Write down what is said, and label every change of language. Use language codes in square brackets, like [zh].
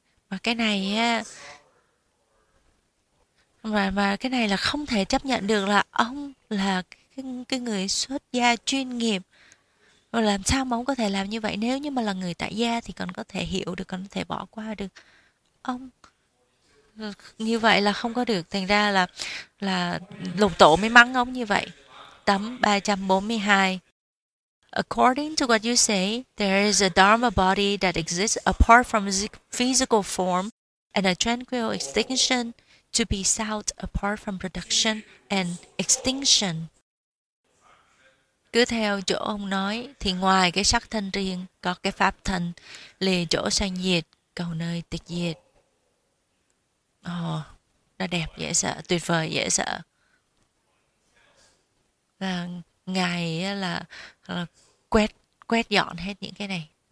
[vi] Mà cái này á, mà cái này là không thể chấp nhận được, là ông là cái người xuất gia chuyên nghiệp, và làm sao mà ông có thể làm như vậy? Nếu như mà là người tại gia thì còn có thể hiểu được, còn có thể bỏ qua được. Ông như vậy là không có được. Thành ra là Lục Tổ mới mắng ông như vậy. Tấm 342. [en] According to what you say, there is a dharma body that exists apart from physical form and a tranquil extinction to be sought apart from production and extinction. [vi] Cứ theo chỗ ông nói thì ngoài cái sắc thân riêng có cái pháp thân, lìa chỗ sanh diệt, cầu nơi tịch diệt. Nó đẹp, dễ sợ, tuyệt vời, dễ sợ. Và ngài là quét quét dọn hết những cái này.